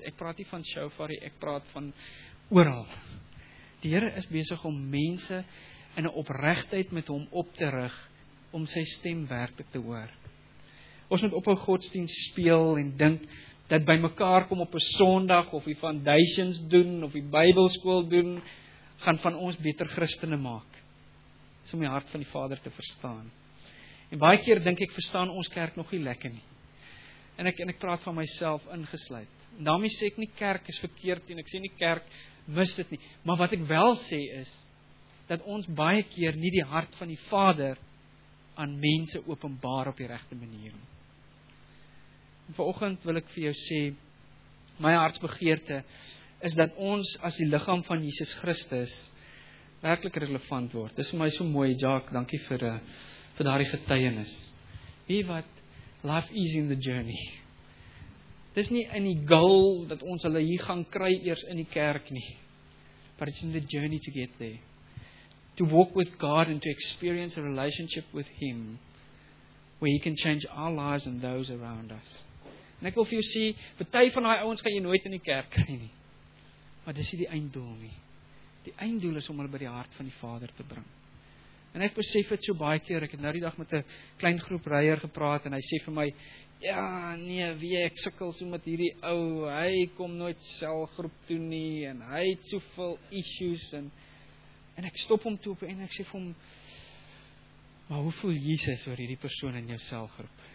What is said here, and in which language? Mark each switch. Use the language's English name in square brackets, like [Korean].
[Afrikaans] Ek praat nie van shofarie, ek praat van oral. Die Here is besig om mense in 'n opregtheid met hom op te rig om sy stem werklik te hoor. Ons moet ophou godsdienst speel en dink dat by mekaar kom op 'n Sondag of die foundations doen of die Bybelskool doen gaan van ons beter Christene maak. Dis om die hart van die Vader te verstaan. En baie keer dink ek verstaan ons kerk nog nie lekker nie. En ek praat van myself ingesluit. En daarmee sê ek nie kerk is verkeerd en ek sê nie kerk mis dit nie, maar wat ek wel sê is dat ons baie keer nie die hart van die Vader aan mense openbaar op die regte manier nie. Vanoggend wil ek vir jou sê, my hartsbegeerte is dat ons as die liggaam van Jesus Christus werklik relevant word. Dis vir my so mooi, Jack, dankie vir daardie getuienis. Weet wat, [English] life is in the journey. [Afrikaans] Dis nie in die goal dat ons hulle hier gaan kry eers in die kerk nie. [English] But it's in the journey to get there. To walk with God and to experience a relationship with Him, where He can change our lives and those around us. [Afrikaans] En ek wil vir jou sê, party van daai ouens gaan jy nooit in die kerk kry nie. Maar dis nie die einddoel nie. Die einddoel is om hulle by die hart van die Vader te bring. En ek besef dit so baie keer, ek het nou die dag met 'n klein groep ryeër gepraat, en hy sê vir my, ja, nee, wie ek sukkel so met hierdie ou, hy kom nooit selgroep toe nie, en hy het soveel issues, en ek stop hom toe op, en ek sê vir hom, maar hoe voel Jesus oor hierdie persoon in jou selgroep?